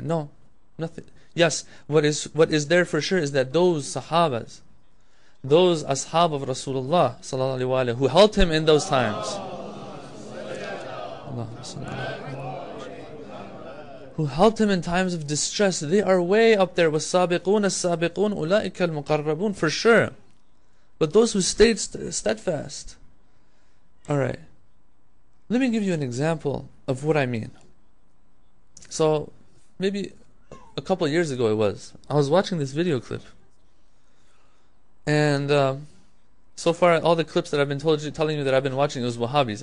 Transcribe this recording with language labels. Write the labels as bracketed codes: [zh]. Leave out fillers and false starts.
[en] No, nothing. Yes, what is there for sure is that those Sahabas, those Ashab of Rasulullah sallallahu alaihi wasallam, who helped him in those times, who helped him in times of distress, they are way up there. [ar] وَالسَّابِقُونَ السَّابِقُونَ أُولَٰئِكَ الْمُقَرَّبُونَ, [en] for sure. But those who stayed steadfast. Alright. Let me give you an example of what I mean. So, maybe a couple years ago it was. I was watching this video clip. And so far, all the clips that I've been telling you that I've been watching, it was Wahhabis.